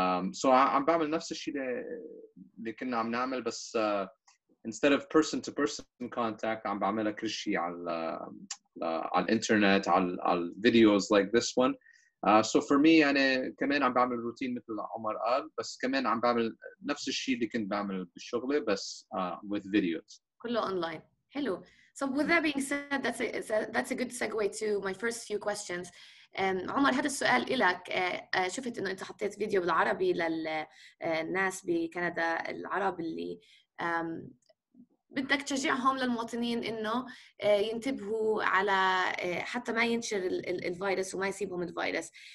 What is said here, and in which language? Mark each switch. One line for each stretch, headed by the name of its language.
Arabic: سو عم بعمل نفس الشيء اللي كنا عم نعمل، بس
English: instead of person to person contact
Arabic: عم بعملها كل شيء على الانترنت، على الفيديوز
English: like this one. So for me
Arabic: يعني كمان عم بعمل روتين مثل عمر قال، بس كمان عم بعمل نفس الشيء اللي كنت بعمل بالشغلة بس
English: with videos.
Arabic: كله اونلاين. حلو.
English: So with that being said, that's a good segue to my first few questions.
Arabic: عمر، هذا السؤال إلك. شفت إنه أنت حطيت فيديو بالعربي للناس بكندا العرب اللي بدك تشجعهم للمواطنين إنه ينتبهوا على حتى ما ينشر الفيروس وما يسيبهم الفيروس.